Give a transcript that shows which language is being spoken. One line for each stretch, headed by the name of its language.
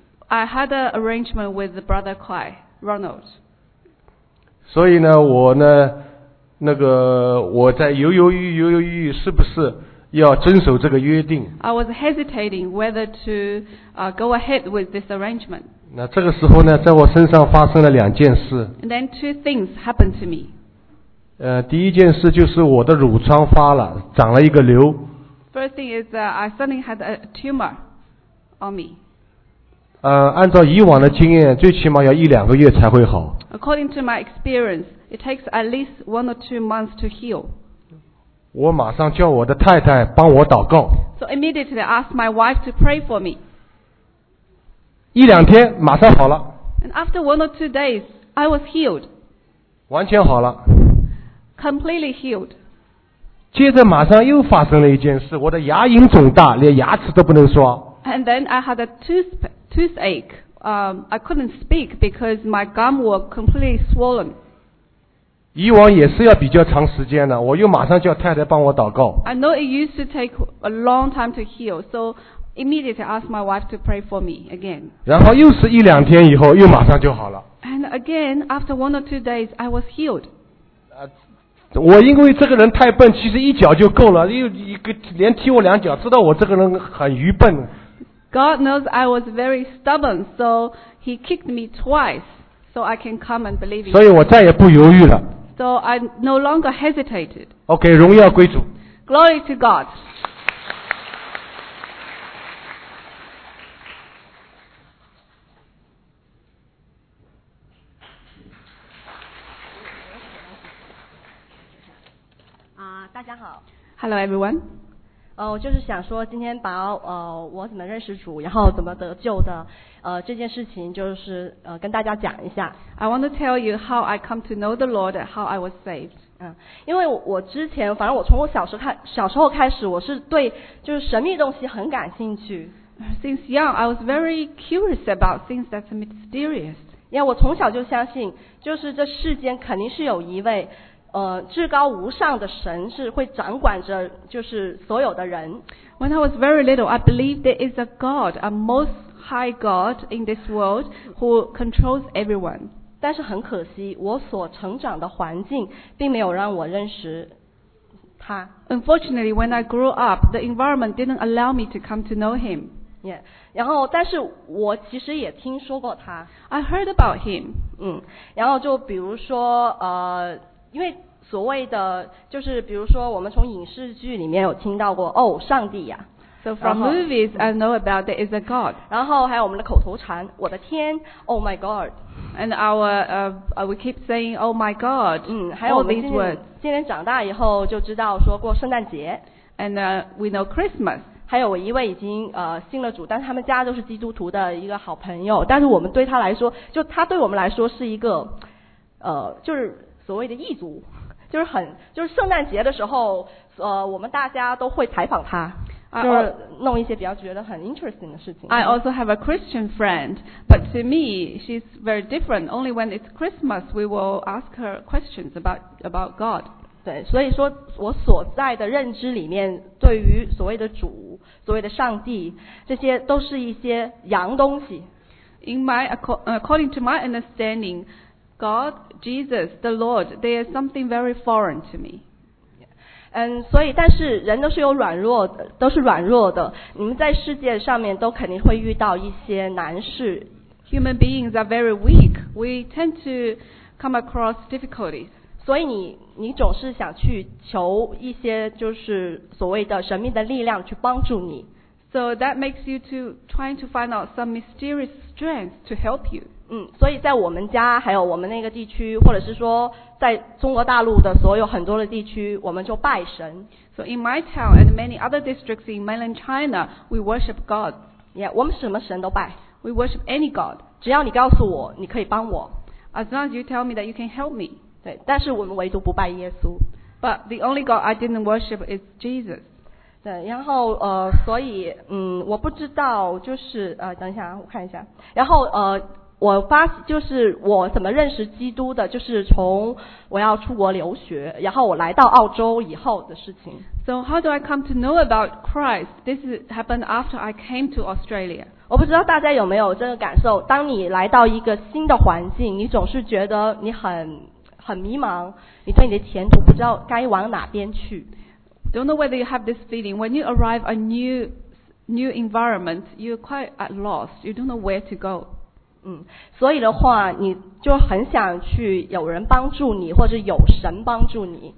English: I had an arrangement with the brother Kai, Ronald.
Chinese: 所以呢，我呢，那个我在犹豫，是不是要遵守这个约定。
English: I was hesitating whether to go ahead with this arrangement.
Chinese: 那这个时候呢，在我身上发生了两件事。
English: And then two things happened to me.
Chinese: 第一件事就是我的乳疮发了，长了一个瘤。
English: First thing is I suddenly had a tumor on me.
Chinese: 按照以往的经验，最起码要一两个月才会好。
English: According to my experience, it takes at least 1 or 2 months to heal.
Chinese: 我马上叫我的太太帮我祷告。
English: So immediately asked my wife to pray for me.
Chinese: 一两天马上好了。
English: And after 1 or 2 days, I was healed.
Chinese: 完全好了。
English: Completely healed.
Chinese: 接着马上又发生了一件事，我的牙龈肿大，连牙齿都不能刷。
English: And then I had a toothache. I couldn't speak because my gum were completely swollen.
Chinese: 以往也是要比较长时间的，我又马上叫太太帮我祷告。
English: I know it used to take a long time to heal, so immediately asked my wife to pray for me again.
Chinese: 然后又是一两天以后，又马上就好了。
English: And again, after 1 or 2 days, I was healed.
Chinese: 我因为这个人太笨，其实一脚就够了，又一个连踢我两脚，知道我这个人很愚笨。
English: God knows I was very stubborn, so He kicked me twice. So I can come and believe in
Chinese: you. 所以我再也不犹豫了。
English: So I no longer hesitated.
Chinese: Okay, 荣耀归主。
English: Glory to God.
Chinese: 大家好。
English: Hello, everyone.
Chinese: 我就是想说今天把我怎么认识主，然后怎么得救的这件事情，就是跟大家讲一下。
English: I want to tell you how I come to know the Lord, how I was saved.
Chinese: 因为我之前，反正我从我小时候开始，我是对就是神秘东西很感兴趣。
English: Since young, I was very curious about things that are mysterious.
Chinese: 因为我从小就相信，就是这世间肯定是有一位至高无上的神是会掌管着就是所有的人。
English: When I was very little, I believed there is a God, a most high God in this world who controls everyone.
Chinese: 但是很可惜，我所成长的环境并没有让我认识他。
English: Unfortunately, when I grew up, the environment didn't allow me to come to know him. Yeah.
Chinese: 然后，但是我其实也听说过他。
English: I heard about him.
Chinese: 然后就比如说因为所谓的就是比如说我们从影视剧里面有听到过哦上帝呀、
English: So from movies I know about there is a God.
Chinese: 然后还有我们的口头禅我的天
English: Oh my God. And we keep saying Oh my God.
Chinese: 还有
English: All these words.
Chinese: 今天长大以后就知道说过圣诞节
English: And we know Christmas.
Chinese: 还有我一位已经信了主但是他们家都是基督徒的一个好朋友，但是我们对他来说，就他对我们来说是一个就是所谓的异族，就是很就是圣诞节的时候我们大家都会采访他，就是弄一些比较觉得很 interesting 的事情。
English: I also have a Christian friend, but to me she's very different. Only when it's Christmas we will ask her questions about God.
Chinese: 对，所以说我所在的认知里面对于所谓的主所谓的上帝这些都是一些洋东西。
English: According to my understandingGod, Jesus, the Lord, they are something very foreign to me.
Chinese: 所以但是人都是有软弱的，都是软弱的。你们在世界上面都肯定会遇到一些难事。
English: Human beings are very weak. We tend to come across difficulties.
Chinese: 所以你总是想去求一些就是所谓的神秘的力量去帮助你。
English: So that makes you to trying to find out some mysterious strength to help you.
Chinese: 嗯，所以在我们家还有我们那个地区，或者是说在中国大陆的所有很多的地区，我们就拜神。
English: So in my town and many other districts in mainland China, we worship God.
Chinese: Yeah, 我们什么神都拜。
English: We worship any God.
Chinese: 只要你告诉我，你可以帮我。
English: As long as you tell me that you can help me.
Chinese: 对，但是我们唯独不拜耶稣。
English: But the only God I didn't worship is Jesus.
Chinese: 对，然后所以我不知道，就是等一下，我看一下。然后我发就是我怎么认识基督的，就是从我要出国留学，然后我来到澳洲以后的事情。
English: So how do I come to know about Christ? This happened after I came to Australia.
Chinese: 我不知道大家有没有这个感受，当你来到一个新的环境，你总是觉得你很迷茫，你对你的前途不知道该往哪边去。
English: Don't know whether you have this feeling when you arrive a new environment, you're quite at lost. You don't know where to go.
Chinese: 嗯，所以的话，你就很想去有人帮助你，或者有神帮助你。